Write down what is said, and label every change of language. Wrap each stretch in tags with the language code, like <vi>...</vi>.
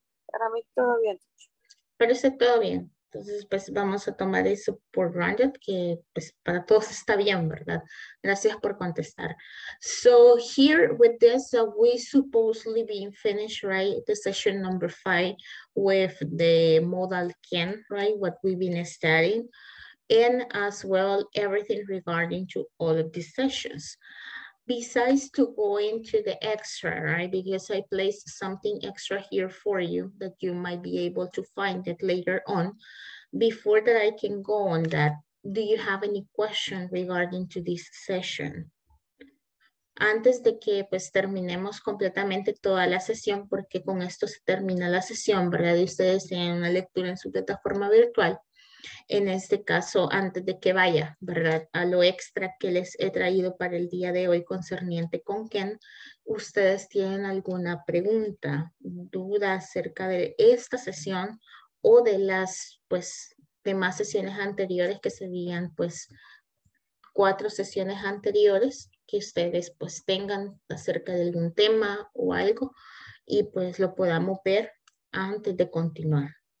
<es>Para mí todo bien. Parece todo bien. Entonces, pues vamos a tomar eso por granted, que pues para todos está bien, ¿verdad? Gracias por contestar.</es> <en>So here with this, we supposedly being finished, right? The session number 5 with the modal can, right? What we've been studying. And as well, everything regarding to all of these sessions. Besides to go into the extra, right? Because I placed something extra here for you that you might be able to find it later on. Before that, I can go on that. Do you have any question regarding to this session?</en> <es>Antes de que pues terminemos completamente toda la sesión, porque con esto se termina la sesión, ¿verdad? Y ustedes tienen una lectura en su plataforma virtual. En este caso, antes de que vaya, ¿verdad? A lo extra que les he traído para el día de hoy concerniente con Ken, ¿ustedes tienen alguna pregunta, duda acerca de esta sesión o de las, pues, demás sesiones anteriores que serían, pues, 4 sesiones anteriores que ustedes, pues, tengan acerca de algún tema o algo y, pues, lo podamos ver antes de continuar?</es>